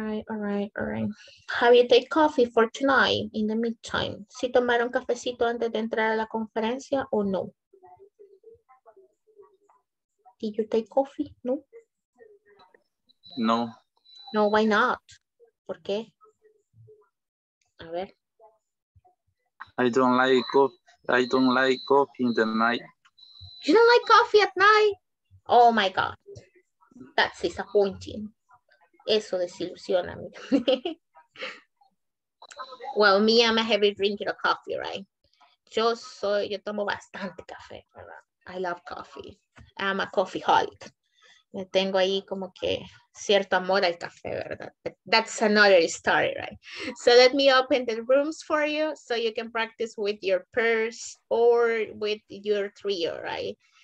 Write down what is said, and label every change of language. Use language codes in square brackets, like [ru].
[en] All right. Have you take coffee for tonight in the meantime? [es] ¿Si tomaron cafecito antes de entrar a la conferencia o no? [en] Did you take coffee? No. No. No, why not? [es] ¿Por qué? A ver. [en] I don't like coffee in the night. You don't like coffee at night? Oh my God. That's disappointing. [es] Eso desilusiona. [en] Well, me, I'm a heavy drinker of coffee, right? [es] Yo tomo bastante café, ¿verdad? [en] I love coffee. I'm a coffeeholic. [es] Me tengo ahí como que cierto amor al café, ¿verdad? [en] But that's another story, right? So let me open the rooms for you so you can practice with your pairs or with your trio, right?